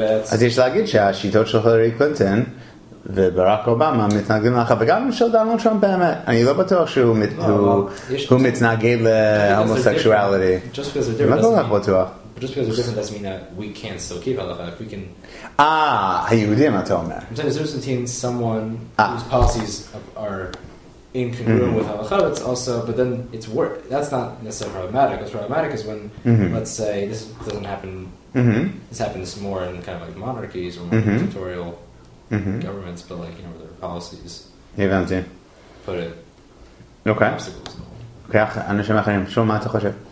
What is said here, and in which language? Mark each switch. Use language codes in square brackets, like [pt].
[he] אז יש להגיד שהשיטות של הילרי קלינטון וברק אובמה מתנגדים לך, וגם של דונלד טראמפ באמת, אני לא בטוח שהוא מתנגד להומוסקשואליטי. מה כל כך בטוח? [en] Just because we're different doesn't mean that we can't still keep halacha. If we can... [he] Ah, היהודים, אתה אומר. [en] I'm saying, is there something someone whose policies are incongruent with halacha, but it's also... But then it's work. That's not necessarily problematic. What's problematic is when, let's say, this doesn't happen... This happens more in kind of like monarchies or more dictatorial governments, but like, you know, their policies... [he] הבנתי. [en] Put it... Okay. [he] Okay, אנשים אחרים, שום מה אתה חושב?